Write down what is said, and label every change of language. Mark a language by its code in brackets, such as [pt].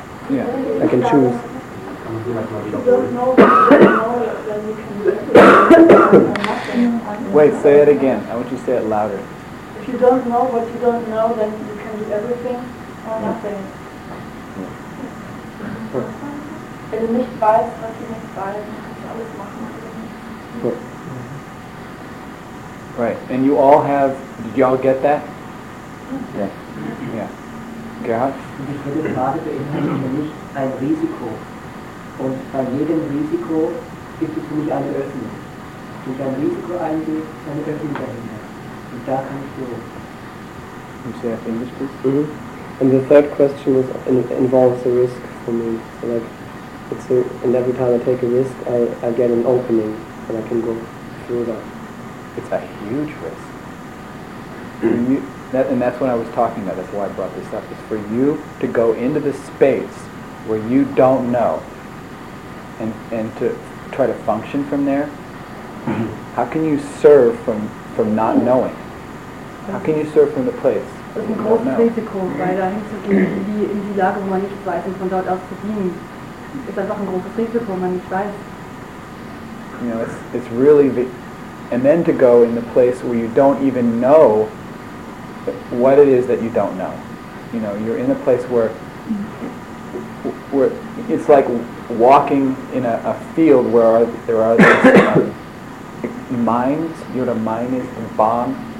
[en] Yeah. I can choose. Wait, say it again. I want you to say it louder. If you don't know what you don't know, then you can do everything or nothing. [de] Wenn du nicht weißt, was du nicht weißt, kannst du alles machen. [en] Right. And you all have, did you all get that? Yeah. Gerhard? [de] Ich würde gerade beinhalten, für mich ein Risiko. Und bei jedem Risiko gibt es für mich eine Öffnung. Wenn ich ein Risiko eingehe, ist eine Öffnung dahinter. Und da kann ich durch. [en] Can you say that in English, please? Mm-hmm. And the third question was, involves a risk for me. So like, it's a, and every time I take a risk, I get an opening, and I can go through that. It's a huge risk. You, that, and that's what I was talking about, that's why I brought this up, is for you to go into the space where you don't know, and to try to function from there. Mm-hmm. How can you serve from not knowing? How can you serve from the place? [de] Das ist ein großes Risiko, weil dahin zu gehen, in die Lage, wo man nicht weiß, und von dort aus zu dienen, ist einfach ein großes Risiko, wenn man nicht weiß. [en] You know, it's really, and then to go in the place where you don't even know what it is that you don't know. You know, you're in a place where it's like walking in a field where there are these mines. You know what a mine is? A bomb.